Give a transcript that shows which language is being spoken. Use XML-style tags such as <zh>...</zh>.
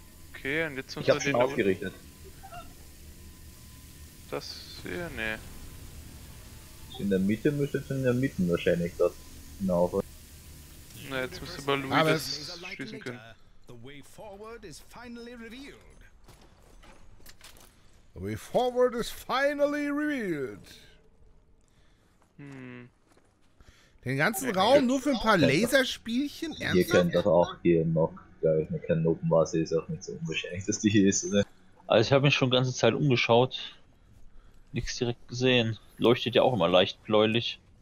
<de>Okay, und jetzt ich hab's schon aufgerichtet. Das hier, nee. In der Mitte müsste es in der Mitte wahrscheinlich das genau. Na, jetzt müsste aber Louis das schließen können.</de> <en>The way forward is finally revealed. The way forward is finally revealed.</en> <de>Den ganzen Raum nur für ein paar Laserspielchen? Ernsthaft? Ihr könnt doch auch hier noch. Da ich mir keine Notenmaße ist auch nicht so unwahrscheinlich, dass die hier ist, oder? Also ich habe mich schon die ganze Zeit umgeschaut. Nichts direkt gesehen. Leuchtet ja auch immer leicht bläulich.</de>